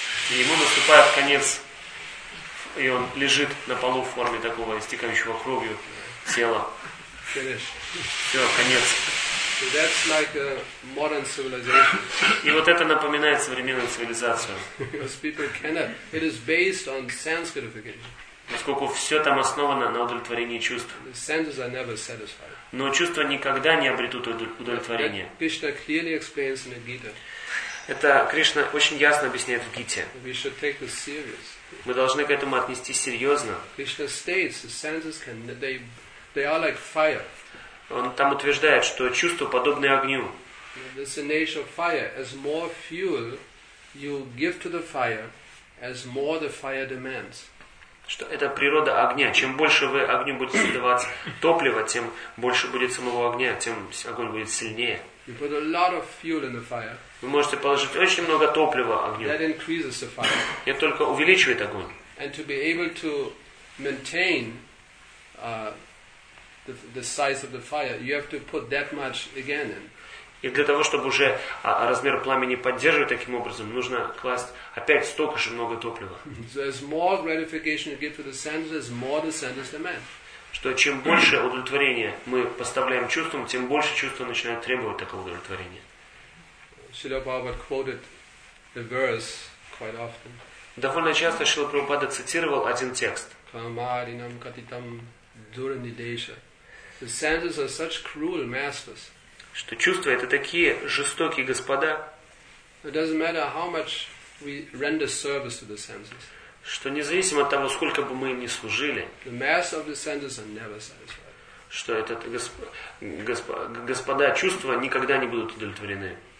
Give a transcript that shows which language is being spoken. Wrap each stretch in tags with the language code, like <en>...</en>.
<ru>И ему наступает конец, и он лежит на полу в форме такого истекающего кровью тела. Все, конец.</ru> <en>So that's like a modern civilization.</en> <ru>И вот это напоминает современную цивилизацию.</ru> <en>Because people cannot. It is based on sense gratification.</en> <ru>Поскольку все там основано на удовлетворении чувств.</ru> <en>The senses are never satisfied.</en> <ru>Но чувства никогда не обретут удовлетворение.</ru> <en>Krishna clearly explains in the Gita.</en> <ru>Это Кришна очень ясно объясняет в Гите.</ru> <en>We should take this serious.</en> <ru>Мы должны к этому отнестись серьезно.</ru> <en>Krishna states the senses can they are like fire.</en> <ru>Он там утверждает, что чувства подобны огню.</ru> <en>This is the nature of fire. As more fuel you give to the fire, as more the fire demands.</en> <ru>Что это природа огня. Чем больше вы огню будете давать топливо, тем больше будет самого огня, тем огонь будет сильнее.</ru> <en>You put a lot of fuel in the fire.</en> <ru>Вы можете положить очень много топлива огню.</ru> <en>That increases the fire.</en> <ru>И только увеличивает огонь.</ru> <en>And to be able to maintain the size of the fire, you have to put that much again in.</en> <ru>И для того, чтобы уже размер пламени поддерживать таким образом, нужно класть опять столько же много топлива.</ru> <en>So as more gratification you give to the senses, as more the senses demand.</en> <ru>Что чем больше удовлетворения мы поставляем чувствам, тем больше чувства начинают требовать такого удовлетворения.</ru> <en>Шрила Прабхупада quoted the verse quite often.</en> <ru>Довольно часто Шрила Прабхупада цитировал один текст.</ru> <sa>Камаринам катитам дуранидеша.</sa> <en>The senses are such cruel masters.</en> <ru>Что чувства это такие жестокие господа.</ru> <en>It doesn't matter how much we render service to the senses.</en> <ru>Что независимо от того, сколько бы мы им ни служили,</ru> <en>the master of the senses are never satisfied.</en> <ru>Что этот господа чувства никогда не будут удовлетворены.</ru>